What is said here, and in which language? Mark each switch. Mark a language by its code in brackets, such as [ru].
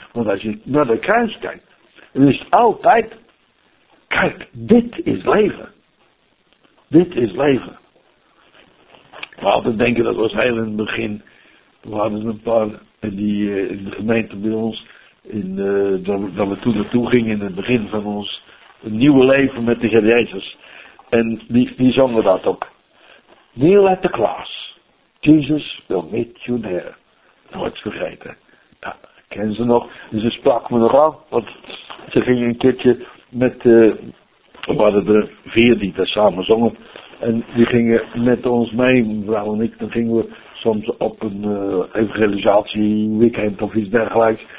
[nl] Want als je naar de kruis kijkt, dan is het altijd, kijk, dit is leven. Dit is leven. We altijd denken, dat was heel in het begin. We hadden een paar in de gemeente bij ons. Dat we toen naartoe gingen in het begin van ons nieuwe leven met de Heer Jezus. En die zongen dat ook. [en] Kneel at the cross. Jesus will meet you there. [nl] Nooit vergeten. Ja, ken ze nog. En ze sprak me nog aan. Want ze gingen een keertje met we hadden er vier die daar samen zongen. En die gingen met ons mee, mevrouw en ik. Dan gingen we soms op een evangelisatie weekend of iets dergelijks.